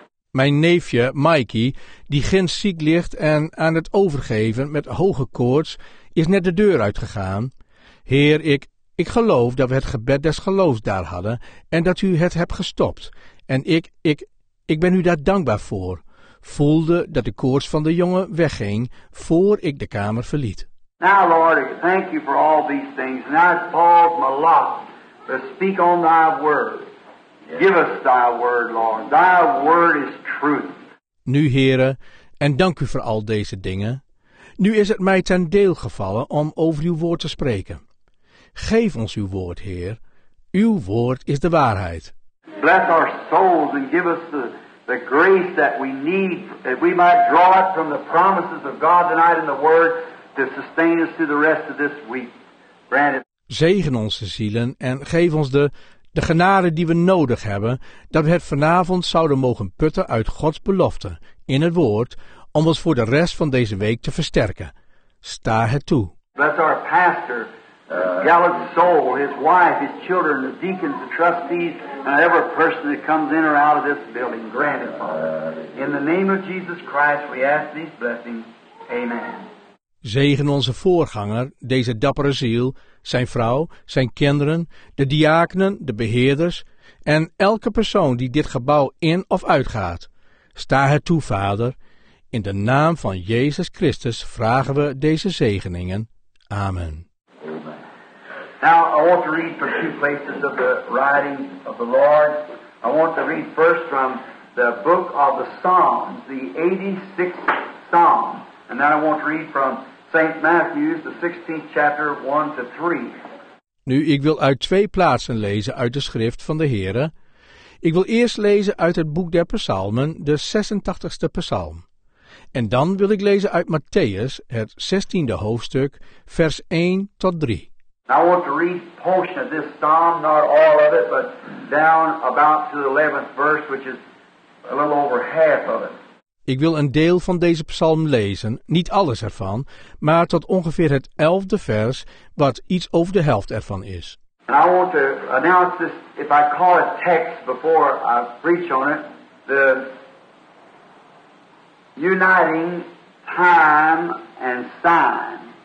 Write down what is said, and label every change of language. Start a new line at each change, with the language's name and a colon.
Dutch: Mijn neefje Mikey, die ginds ziek ligt en aan het overgeven met hoge koorts, is net de deur uitgegaan. Heer, ik geloof dat we het gebed des geloofs daar hadden en dat u het hebt gestopt. En ik ben u daar dankbaar voor. Voelde dat de koorts van de jongen wegging voor ik de kamer verliet.
English: Now, Lord, thank you for all these things. Now it falls my lot. But speak on thy word. Give us thy word, Lord. Thy word is truth.
Dutch: Nu, heren, en dank u voor al deze dingen. Nu is het mij ten deel gevallen om over uw woord te spreken. Geef ons uw woord, Heer. Uw woord is de waarheid.
English: Bless our souls and give us the grace that we need, that we might draw it from the promises of God tonight in the word to sustain us through the rest of this week. Grant it.
Dutch: Zegen onze zielen en geef ons de genade die we nodig hebben, dat we het vanavond zouden mogen putten uit Gods belofte, in het woord, om ons voor de rest van deze week te versterken. Sta het toe.
English: Bless our pastor, gallant soul, his wife, his children, the deacons, the trustees, and every person that comes in or out of this building, grant it, Father. In the name of Jesus Christ, we ask these blessings. Amen.
Dutch: Zegen onze voorganger, deze dappere ziel, zijn vrouw, zijn kinderen, de diakenen, de beheerders en elke persoon die dit gebouw in of uitgaat. Sta het toe, Vader. In de naam van Jezus Christus vragen we deze zegeningen. Amen.
English: Now I want to read from two places of the writing of the Lord. I want to read first from the book of the Psalms, the 86th Psalm. And then I want to read from St. Matthew's, the 16th chapter, 1 to 3.
Dutch: Nu, ik wil uit twee plaatsen lezen uit de schrift van de Heere. Ik wil eerst lezen uit het boek der psalmen, de 86e psalm. En dan wil ik lezen uit Matthäus, het 16e hoofdstuk, vers 1 tot 3.
English: Now I want to read a portion of this psalm, not all of it, but down about to the 11th verse, which is a little over half of it.
Dutch: Ik wil een deel van deze psalm lezen, niet alles ervan, maar tot ongeveer het 11e vers, wat iets over de helft ervan is.
English: And I want to announce this, if I call it text before I preach on it, the uniting time and sign.